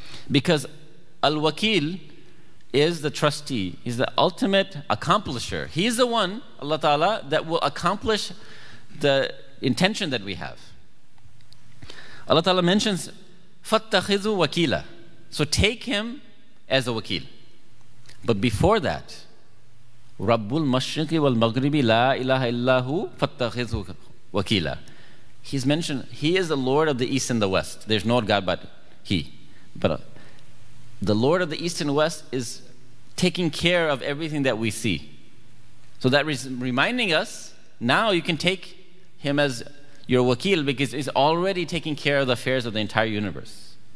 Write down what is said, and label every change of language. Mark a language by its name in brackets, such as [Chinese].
[English] Because al-wakil is the trustee. He's the ultimate accomplisher. He's the one, Allah Ta'ala, that will accomplish the intention that we have. Allah Ta'ala mentions, [Arabic] فَاتَّخِذُوا وَكِيلًا. [English] So take him as a wakil. But before that, [Arabic] رَبُّ الْمَشْرِقِ وَالْمَغْرِبِ لَا إِلَهَ إِلَّا هُوَ فَاتَّخِذُوا وَكِيلًا. [English] He's mentioned, he is the Lord of the East and the West. There's no God but he. But the Lord of the East and West is taking care of everything that we see. So that is reminding us, now you can take him as your wakil because he's already taking care of the affairs of the entire universe.